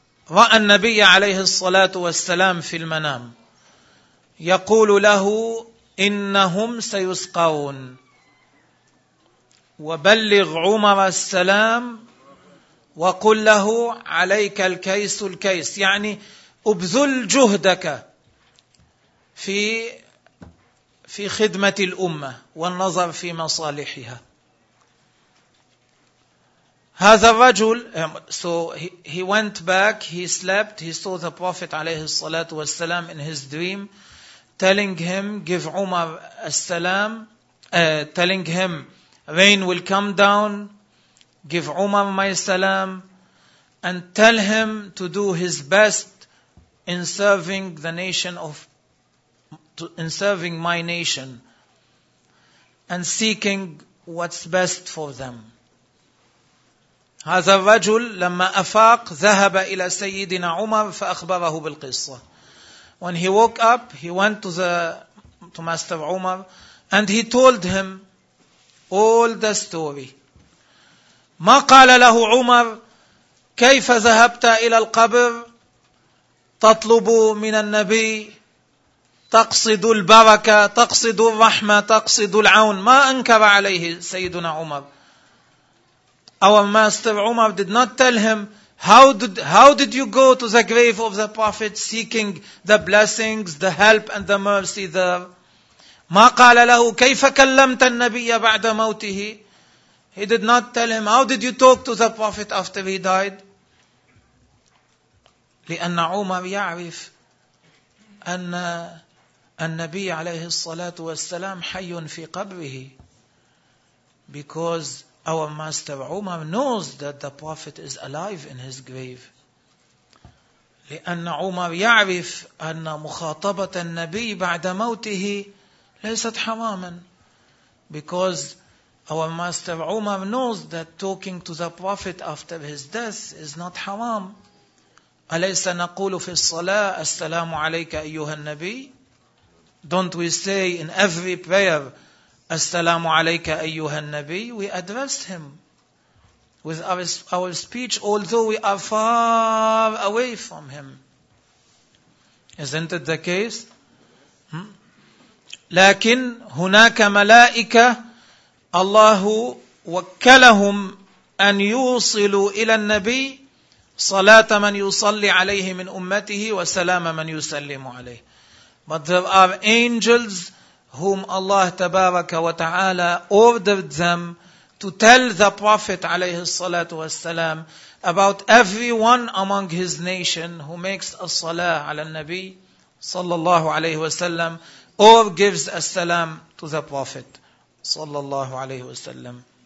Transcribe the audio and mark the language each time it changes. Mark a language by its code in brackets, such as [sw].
[ar] رأى النبي عليه الصلاة والسلام في المنام يقول له إنهم سيسقون وبلغ عمر السلام وقل له عليك الكيس الكيس. يعني أبذل جهدك في خدمة الأمة والنظر في مصالحها. هذا الرجل. [en] So he went back, he slept, he saw the Prophet [ar] عليه الصلاة والسلام [en] in his dream telling him give Umar السلام telling him rain will come down, give Umar my salam and tell him to do his best in serving the nation of in serving my nation and seeking what's best for them. [ar] هذا الرجل لما أفاق ذهب إلى سيدنا عمر فأخبره بالقصة. [en] When he woke up, he went to Master Umar and he told him all the story. [ar] ما قال له عمر كيف ذهبت إلى القبر تطلب من النبي تقصد البركة تقصد الرحمة تقصد العون. ما أنكر عليه سيدنا عمر. [en] Our Master Umar did not tell him how did you go to the grave of the Prophet seeking the blessings, the help and the mercy there. [ar] ما قال له كيف كلمت النبي بعد موته. [en] He did not tell him how did you talk to the Prophet after he died. [ar] لأن عمر يعرف أن النبي عليه الصلاة والسلام حي في قبره. [en] Because our Master Umar knows that the Prophet is alive in his grave. [ar] لأن عمر يعرف أن مخاطبة النبي بعد موته ليست حماما. [en] Because our Master Umar knows that talking to the Prophet after his death is not haram. [ar] أليس نقول في الصلاة السلام عليك أيها النبي. [en] Don't we say in every prayer, As-salamu alayka ayyuha al-Nabi? We address him with our speech, although we are far away from him. Isn't it the case? [ar] لكن هناك ملائكة الله وكلهم أن يوصلوا إلى النبي صلاة من يصلي عليه من أمته وسلام من يسلم عليه. [en] But there are angels whom Allah [ar] تبارك وتعالى [en] ordered them to tell the Prophet [ar] عليه الصلاة والسلام [en] about everyone among his nation who makes a salah [ar] على النبي صلى الله عليه وسلم [en] or gives a salam to the Prophet [ar] صلى الله عليه وسلم.